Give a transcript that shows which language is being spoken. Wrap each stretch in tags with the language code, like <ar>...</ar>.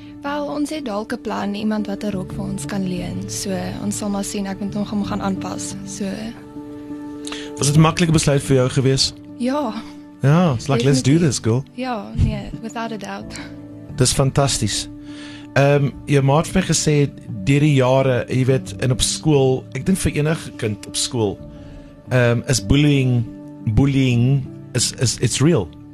<af>Wel, ons het dalk 'n plan, iemand wat 'n rok vir ons kan leen. So, ons sal maar sien, ek moet hom gaan aanpas. So. Was dit 'n maklike besluit vir jou gewees? Ja.</af> <en>Ja, it's like, let's do this, girl.</en> <af>Ja, nee,</af> <en>without a doubt.</en> <af>Dis fantasties. Jou maat het my gesê, deur die jare, jy weet, en op skool, ek dink vir enige kind op skool, is bullying, is</af> <en>it's real.</en>